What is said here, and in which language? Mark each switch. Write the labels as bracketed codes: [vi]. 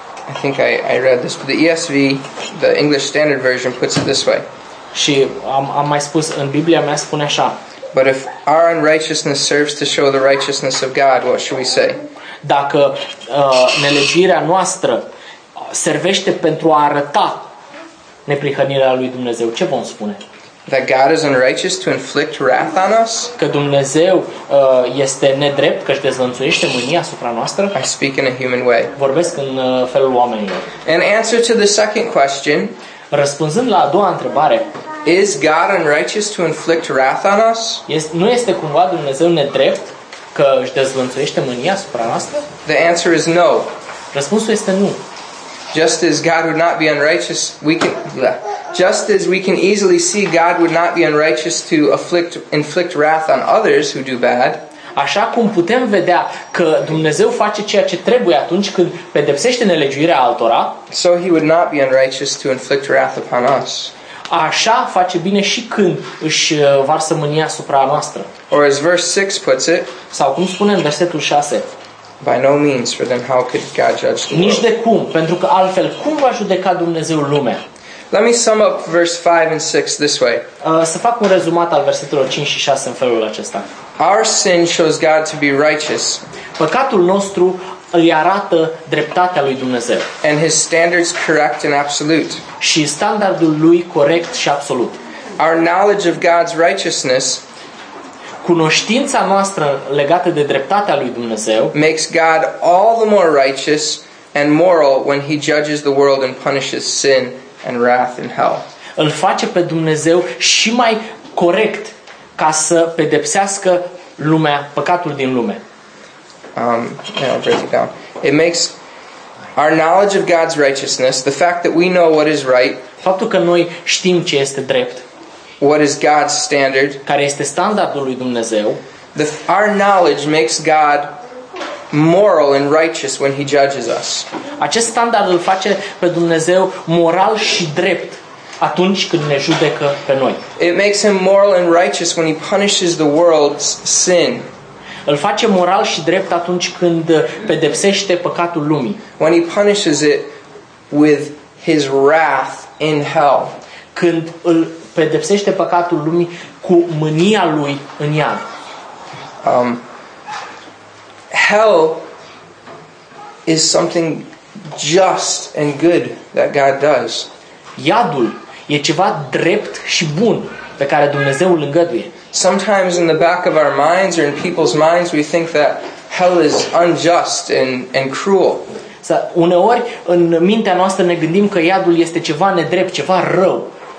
[en] I think I read this, but the ESV, the English Standard Version, puts it this way. [ro] Și am mai spus, în Biblia mea spune așa. [en] But if our unrighteousness serves to show the righteousness of God, what should we say? [ro] Dacă nelegirea noastră servește pentru a arăta neprihănirea lui Dumnezeu, ce vom spune? [en] That God is unrighteous to inflict wrath on us? [ro] Că Dumnezeu este nedrept, că își dezlănțuiește mânia asupra noastră? [en] I speak in a human way. [ro] Vorbesc în felul oamenilor. [en] In answer to the second question, [ro] răspunzând la a doua întrebare, [en] is God unrighteous to inflict wrath on us? [ro] Nu este cumva Dumnezeu nedrept că își dezlănțuiește mânia asupra noastră? [en] The answer is no. [ro] Răspunsul este nu. [en] Just as God would not be unrighteous, just as we can easily see God would not be unrighteous to inflict wrath on others who do bad. [ro] Așa cum putem vedea că Dumnezeu face ceea ce trebuie atunci când pedepsește nelegiuirea altora, [en] so he would not be unrighteous to inflict wrath upon us. [ro] Așa face bine și când își varsă mânia asupra noastră. [en] Or as verse 6 puts it, [ro] sau cum spune în versetul 6, [en] by no means, for then how could God judge the world? [ro] Nici de cum, pentru că altfel cum va judeca Dumnezeu lumea? [en] Let me sum up verse 5 and 6 this way. [ro] Să fac un rezumat al versetelor 5 și 6 în felul acesta. [en] Our sin shows God to be righteous. [ro] Păcatul nostru îi arată dreptatea lui Dumnezeu. [en] And his standards correct and absolute. [ro] Și standardul lui corect și absolut. [en] Our knowledge of God's righteousness, [ro] cunoștința noastră legată de dreptatea lui Dumnezeu, [en] makes God all the more righteous and moral when he judges the world and punishes sin and wrath in hell. [ro] Îl face pe Dumnezeu și mai corect ca să pedepsească lumea, păcatul din lume. [en] I'll break it down. It makes our knowledge of God's righteousness, the fact that we know what is right, [ro] faptul că noi știm ce este drept, [en] what is God's standard, [ro] care este standardul lui Dumnezeu, [en] our knowledge makes God moral and righteous when he judges us. [ro] Acest standard îl face pe Dumnezeu moral și drept atunci când ne judecă pe noi. [en] It makes him moral and righteous when he punishes the world's sin. [ro] Îl face moral și drept atunci când pedepsește păcatul lumii. [en] When he punishes it with his wrath in hell. [ro] Când îl pedepsește păcatul lumii cu mânia lui în iad. [en] Hell is something just and good that God does. [ro] Iadul e ceva drept și bun pe care Dumnezeu îl îngăduie. [en] Sometimes in the back of our minds or in people's minds we think that hell is unjust and cruel. [ro] Uneori în mintea noastră ne gândim că iadul este ceva nedrept, ceva rău.